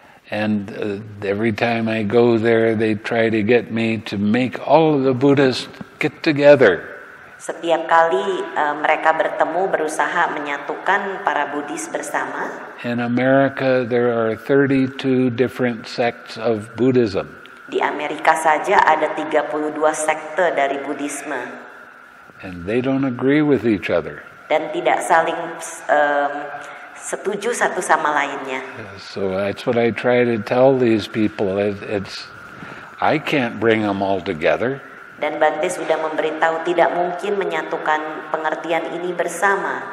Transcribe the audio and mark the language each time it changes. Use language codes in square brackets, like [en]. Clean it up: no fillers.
[en] And every time I go there, they try to get me to make all of the Buddhists get together. [id] Setiap kali mereka bertemu berusaha menyatukan para Buddhis bersama. [en] In America there are 32 different sects of Buddhism. [id] Di Amerika saja ada 32 sekte dari Buddhisme. [en] And they don't agree with each other. [id] Dan tidak saling setuju satu sama lainnya. [en] So that's what I try to tell these people. It's I can't bring them all together. [id] Dan Bhante sudah memberitahu tidak mungkin menyatukan pengertian ini bersama.